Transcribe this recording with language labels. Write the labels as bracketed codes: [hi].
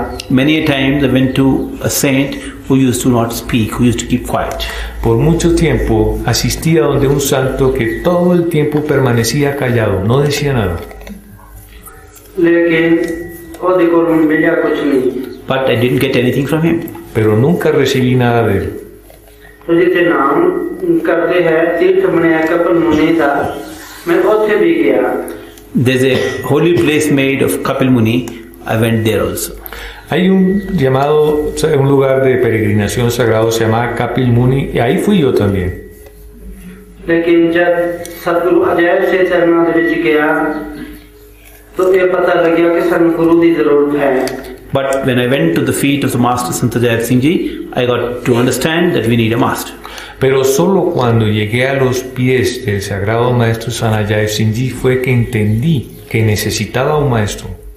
[en] Many a times I went to a saint who used to not speak, who used to keep quiet. [es] Por mucho tiempo asistí a donde un santo que todo el tiempo permanecía callado, no decía nada. [hi] Lekin [en] But I didn't get anything from him. [es] Pero nunca recibí nada de él. [en] There's a holy place made of Kapil Muni. I went there also. [es] Hay un llamado, un lugar de peregrinación sagrado se llama Kapil Muni, y ahí fui yo también. [en] But when I went to the feet of the Master Sant Ajay Singh Ji, I got to understand that we need a master. [es] Pero solo cuando llegué a los pies del Sagrado Maestro Sant Ajay Singh Ji fue que entendí que necesitaba un maestro.